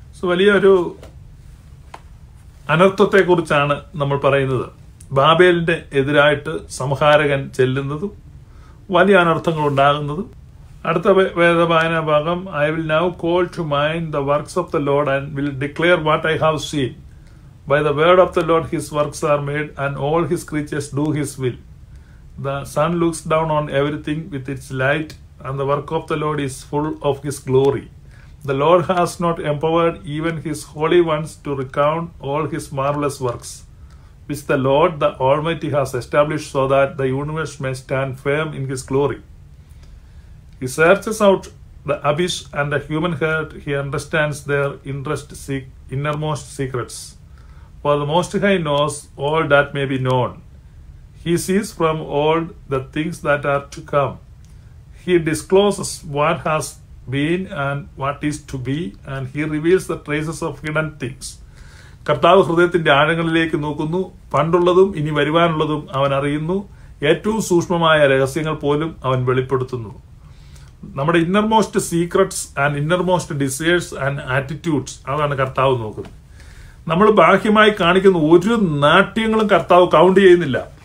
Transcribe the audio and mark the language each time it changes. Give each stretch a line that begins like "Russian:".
Malayalam: വലിയൊരു അനർത്ഥത്തെ കുറിച്ചാണ് നമ്മൾ പറയുന്നത്. ബാബേലിന്റെ എതിരായിട്ട് സംഹാരകൻ ചെല്ലുന്നതും വലിയ അനർത്ഥങ്ങൾ ഉണ്ടാകുന്നതും. അടുത്ത വേദവായന ഭാഗം,
English: I will now call to mind the works of the Lord and will declare what I have seen. By the word of the Lord, his works are made, and all his creatures do his will. The sun looks down on everything with its light, and the work of the Lord is full of his glory. The Lord has not empowered even his holy ones to recount all his marvelous works, which the Lord, the Almighty, has established so that the universe may stand firm in his glory. He searches out the abyss and the human heart. He understands their innermost secrets. For the Most High knows all that may be known. He sees from old the things that are to come. He discloses what has been and what is to be, and he reveals the traces of hidden things.
Malayalam: കർത്താവ് ഹൃദയത്തിന്റെ ആഴങ്ങളിലേക്ക് നോക്കുന്നു. പണ്ടുള്ളതും ഇനി വരുവാനുള്ളതും അവൻ അറിയുന്നു. ഏറ്റവും സൂക്ഷ്മമായ രഹസ്യങ്ങൾ പോലും അവൻ വെളിപ്പെടുത്തുന്നു. നമ്മുടെ
English: innermost secrets and innermost desires and attitudes,
Malayalam: അതാണ് കർത്താവ് നോക്കുന്നത്. നമ്മൾ ബാഹ്യമായി കാണിക്കുന്ന ഒരു നാട്യങ്ങളും കർത്താവ് കൗണ്ട് ചെയ്യുന്നില്ല.